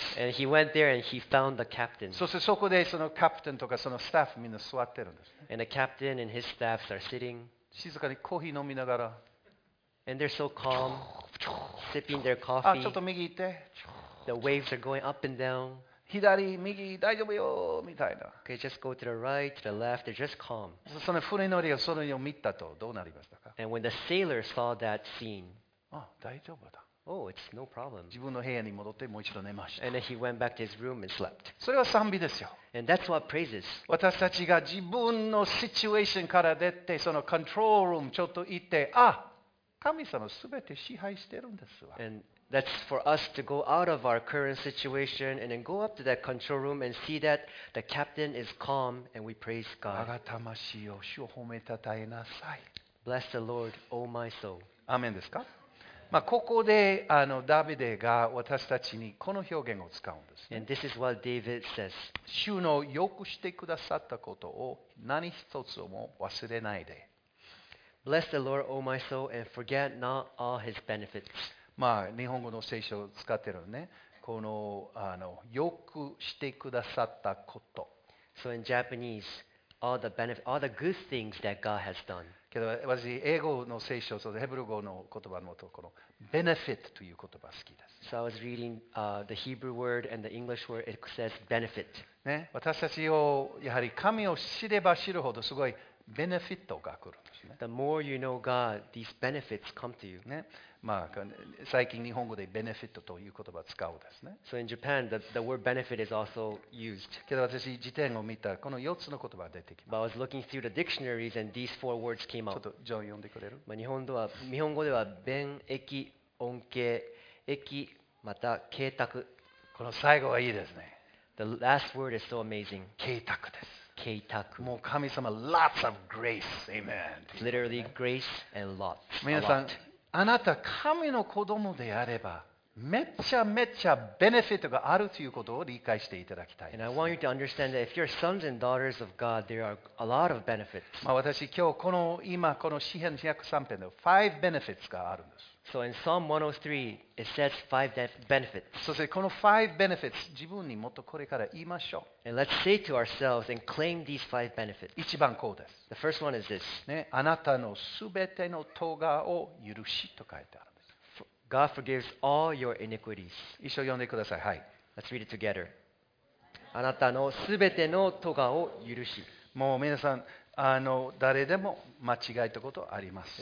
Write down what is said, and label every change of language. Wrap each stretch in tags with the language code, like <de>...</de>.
<en>And he went there and he found the captain.</en> <ja>そしてそこでそのキャプテンとかそのスタッフみんな座ってるんです、ね。</ja> <en>And the captain and his staffs are sitting.</en> <ja>静かにコーヒー飲みながら、</ja> <en>and they're so calm, sipping their coffee.</en> <ja>あ、ちょっと右行って。</ja> <en>The waves are going up and down.</en> <ja>左、右、大丈夫よみたいな。</ja> <en>Okay, just go to the right, to the left. They're just calm.</en> <ja>その船乗りがそれを見たとどうなりましたか。</ja> <en>And when the sailor saw that scene,</en> <ja>大丈夫だ。</ja> <en>Oh, it's no problem.</en> <ja>自分の部屋に戻ってもう一度寝ました。</ja> <en>And then he went back to his room and slept.</en> <ja>それは賛美ですよ。</ja> <en>And that's what praises.</en> <ja>私たちが自分のシチュエーションから出て、そのコントロールルームちょっと行って、神様すべて支配してるんですわ。</ja> <en>And that's for us to go out of our current situation and then go up to that control room and see that the captain is calm and we praise God.</en> <ja>我が魂を主を褒めたたえなさい。</ja> <en>Bless the Lord, O my soul.</en> <ja>アーメンですか？まあ、ここでダビデが私たちにこの表現を使うんです、ね。</ja> <en>And this is what David says.</en> <ja>主の良くしてくださったことを何一つも忘れないで。</ja> <en>Bless the Lord, O my soul, and forget not all His benefits.</en> <ja>まあ日本語の聖書を使ってるね。この良くしてくださったこと。</ja> <en>So in Japanese, all the benefit, all the good things that God has done.</en> <ja>けど私英語の聖書、そのヘブル語の言葉のところ、benefit という言葉好きです。</ja> <en>So I was reading the Hebrew word and the English word. It says benefit.</en> <ja>ね、私たちをやはり神を知れば知るほどすごい。ベネフィットが来るんですね。</ja> <en>The more you know God, these benefits come to you.</en> <ja>ね、まあ最近日本語でベネフィットという言葉を使うですね。</ja> <en>So in Japan, the word benefit is also used.</en> <ja>けど私辞典を見たこの4つの言葉が出てきます。</ja> <en>But I was looking through the dictionaries and these four words came out.</en> <ja>ちょっとジョン読んでくれる？まあ日本語では便益恩恵益また計画。この最後はいいですね。</ja> <en>The last word is so amazing.</en> <ja>計画です。計画。もう神様、</ja> <en>lots of grace, amen. Literally, grace and lots.</en> <ja>皆さん、あなた神の子供であれば、めちゃめちゃベネフィットがあるということを理解していただきたい。</ja> <en>And I want you to understand that if you're sons and daughters of God, there are a lot of benefits.</en> <ja>まあ私今日この今この詩篇103篇の</ja> <en>five benefits</en> <ja>があるんです。</ja> <en>So in Psalm 103, it says five benefits.</en> <ja>そしてこの</ja> <en>five benefits</en> <ja>自分にもっとこれから言いましょう。</ja> <en>And let's say to ourselves and claim these five benefits.</en> <ja>一番こうです。</ja> <en>The first one is this.</en> <ja>ね、あなたのすべての咎を許しと書いてある。</ja> <en>God forgives all your iniquities.</en> <ja>一緒に読んでください。はい。</ja> <en>Let's read it together.</en> <ja>あなたのすべての咎を許し。もう皆さん誰でも間違えたことあります。</ja>